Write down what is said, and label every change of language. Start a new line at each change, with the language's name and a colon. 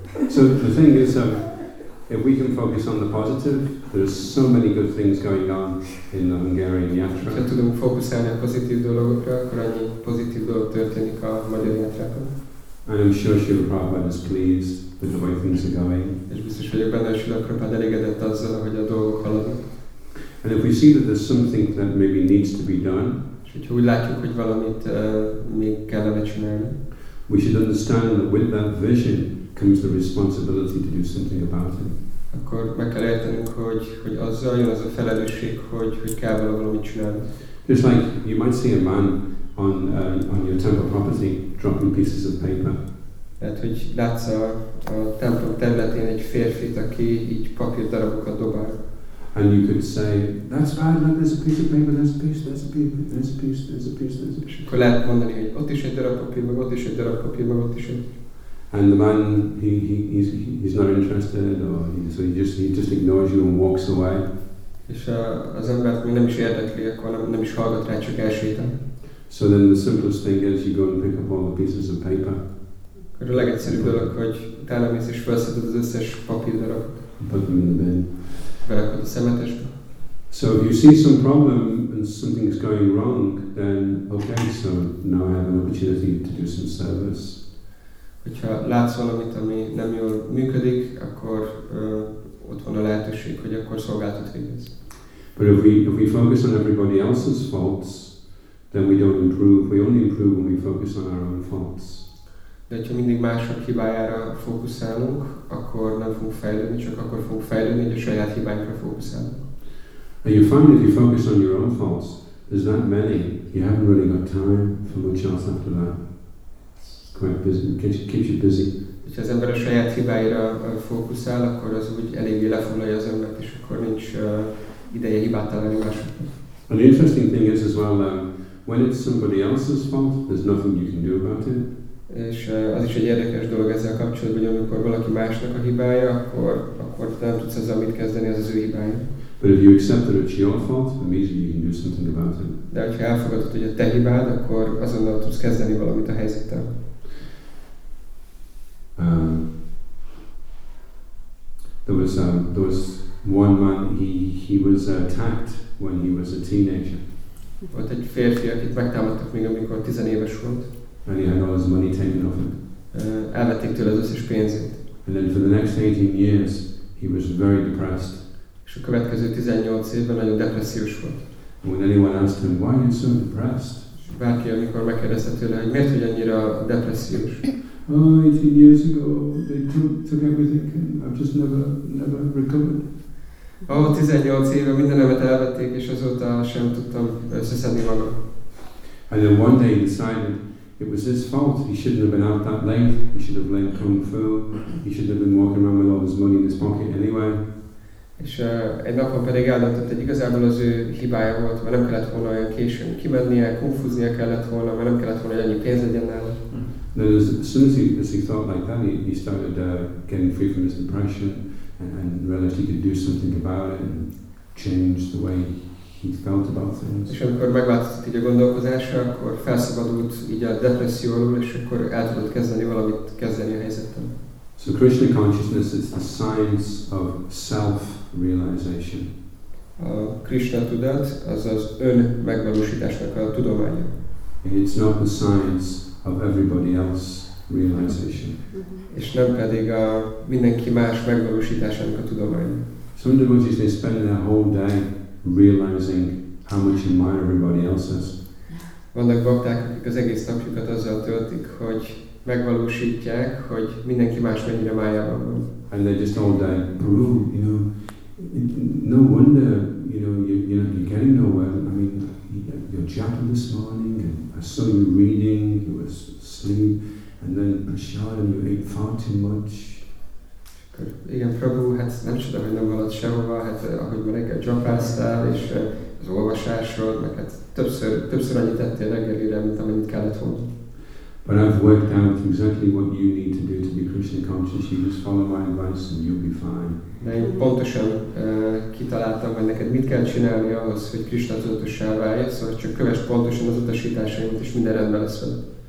English: So the thing is, if we can focus on the positive, there's so many good things going on in the Hungarian yatra.
Hungarian: Ha tudunk fókuszálni a pozitív dologokra, akkor annyi pozitív dolog történik a magyar yatrákon.
English: I'm sure Srila Prabhupada is pleased with the way things are going.
Hungarian: És biztos vagyok benne, hogy Srila Prabhupada elégedett azzal, hogy a dolgok haladnak.
English: And if we see that there's something that maybe needs to be done,
Hungarian: és hogyha úgy látjuk, hogy valamit még kellene csinálni,
English: we should understand that with that vision comes the responsibility to do something about it.
Hungarian: Akkor meg kell értenünk, hogy azzal jön az a felelősség, hogy kell vele valamit csinálni.
English: It's like you might see a man on your temple property dropping pieces of paper.
Hungarian: Lehet, hogy látsz a templom területén egy férfit, aki így papír darabokat dobál.
English: And you could say, that's bad, look, there's a piece of paper, there's a piece, there's a piece, there's a piece, there's a piece, there's a piece.
Hungarian: Akkor lehet mondani, hogy ott is egy darab papír, meg ott is egy darab papír, meg ott is egy.
English: And the man, he's not interested, so he just ignores you and walks away.
Hungarian: És az embert még nem is érdekli, akkor nem is hallgat rá, csak elsétál.
English: So then the simplest thing is you go and pick up all the pieces of paper.
Hungarian: Akkor a legegyszerűbb dolog, hogy utána mész és felszeded az összes papírdarabot.
English: Put them in the bin.
Hungarian: Berakod a szemetesbe.
English: So if you see some problem and something's going wrong, then okay, so now I have an opportunity to do some service.
Hungarian: Hogyha látsz valamit, ami nem jól működik, akkor ott van a lehetőség, hogy akkor szolgáltat végezz.
English: But if we focus on everybody else's faults, then we don't improve. We only improve when we focus on our own faults.
Hungarian: De ha mindig mások hibájára fókuszálunk, akkor nem fogunk fejlődni, csak akkor fogunk fejlődni, hogy a saját hibánkra fókuszálunk.
English: And you find if you focus on your own faults, there's that many, you haven't really got time for much else after that.
Hungarian: Hogyha az ember a saját hibáira fókuszál, akkor az úgy eléggé lefoglalja az embert, és akkor nincs ideje hibát találni másoknak.
English: And the interesting thing is as well, when it's somebody else's fault, there's nothing you can do about it.
Hungarian: És az is egy érdekes dolog ezzel kapcsolatban, hogy amikor valaki másnak a hibája, akkor nem tudsz ezzel mit kezdeni, az az ő hibája.
English: But if you accept that it's your fault, immediately you can do something about it.
Hungarian: De hogyha elfogadod, hogy a te hibád, akkor azonnal tudsz kezdeni valamit a helyzettel.
English: There was one man. He was attacked when he was a teenager.
Hungarian: Volt egy férfi, akit megtámadtak még amikor 10 éves volt.
English: And he had all his money taken off him.
Hungarian: Elvették tőle az összes pénzét.
English: And then for the next 18 years, he was very depressed.
Hungarian: És a következő 18 évben nagyon depressziós volt.
English: And when anyone asked him why he's so depressed,
Hungarian: bárki amikor megkérdezte tőle, hogy miért vagy annyira depressziós.
English: Oh, 18 years ago, they took everything, and I've just never recovered.
Hungarian: Oh, 18 éve mindenemet elvették, és azóta sem tudtam összeszedni magam.
English: And then one day he decided it was his fault. He shouldn't have been out that late. He should have learned kung fu. He shouldn't have been walking around with all his money in his pocket anyway.
Hungarian: És egy napon pedig eldöntött, hogy igazából az ő hibája volt, mert nem kellett volna olyan későn kimennie, kungfuznia kellett volna, mert nem kellett volna, hogy annyi pénz legyen nála.
English: Then as soon as he thought like that, he started getting free from his depression and realized he could do something about it and change the way he felt about things.
Hungarian: És amikor megváltozott így a gondolkozása, akkor felszabadult így a depresszióról, és akkor el tudott kezdeni valamit kezdeni a helyzettel.
English: So Krishna consciousness is the science of self-realization.
Hungarian: A Krishna tudat az az ön megvalósításnak a tudománya.
English: It's not the science of everybody else realization. Mm-hmm.
Hungarian: És nem pedig a mindenki más megvalósításának a tudománya.
English: Some devotees they spend their whole day realizing how much in mind everybody else has.
Hungarian: Vannak bakták, akik az egész napjukat azzal töltik, hogy megvalósítják, hogy mindenki más mennyire májában van.
English: And they just all day, you know, no wonder, you know, you're getting nowhere. I mean, your japa this morning, and I saw you reading, you were asleep, and then prasad, and you ate far too much.
Hungarian: Igen, Prabhu, hát nem csoda, hogy nem valad sehova, hát ahogy van egy japáztál, és az olvasásról, meg hát többször annyit tettél reggelire, mint amennyit kellett volna.
English: But I've worked out exactly what you need to do to be Krishna conscious. You just follow my advice and you'll be fine.
Hungarian: De én pontosan kitaláltam, hogy neked mit kell csinálni ahhoz, hogy Krishna tudatossá válj, szóval csak kövess pontosan az utasításaimat, és minden rendben lesz veled.